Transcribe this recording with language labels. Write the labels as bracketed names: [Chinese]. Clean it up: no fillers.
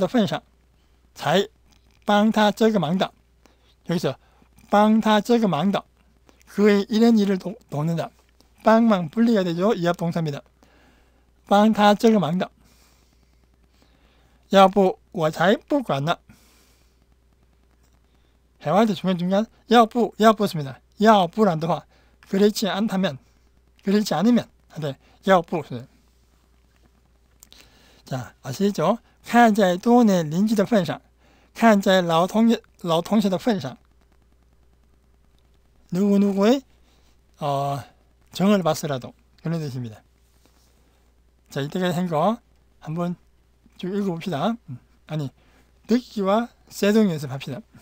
[Chinese] 我是看在老同学的份上才帮他这个忙的. [Korean] 여기서 [Chinese] 帮他这个忙的 [Korean] 그의 이런 일을 돕는다. 帮忙 분리가 되죠. 이합 동사입니다. [Chinese] 帮他这个忙的. 要不我才不管呢. [Korean] 대화할 때 중간중간 [Chinese] 要不 要不 [Korean] 씁니다. [Chinese] 要不然的话 [Korean] 그렇지 않다면 그렇지 않으면 네, 要不 자, 아시죠? [Chinese] 看在多年邻居的份上看在老同学的份上 [Korean] 누구누구의 정을 봤으라도 그런 뜻입니다. 자, 이때까지 한 거 한번 쭉 읽어봅시다. 아니, 듣기와 세동 연습합시다.